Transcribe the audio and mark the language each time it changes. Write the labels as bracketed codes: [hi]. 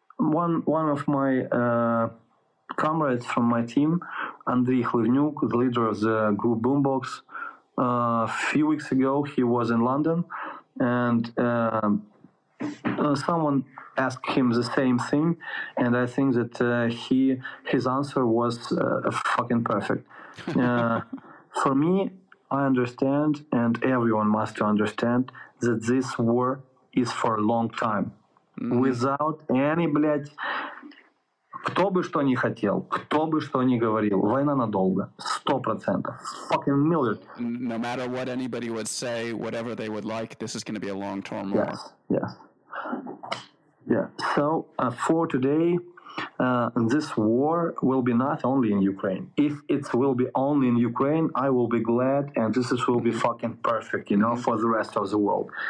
[en] One of my comrades from my team, Andriy Khlyvnyuk, the leader of the group Boombox, a few weeks ago, he was in London, and someone asked him the same thing, and I think that his answer was fucking perfect. For me, I understand, and everyone must understand, that this war is for a long time. Mm-hmm. Without any, [ru] блядь, кто бы что ни хотел, кто бы что ни говорил, война надолго, 100%. [en] Fucking million. No matter what anybody would say, whatever they would like, this is going to be a long-term war. Yes, yes. Yeah, so for today, this war will be not only in Ukraine. If it will be only in Ukraine, I will be glad, and this will be fucking perfect, you know, mm-hmm. for the rest of the world.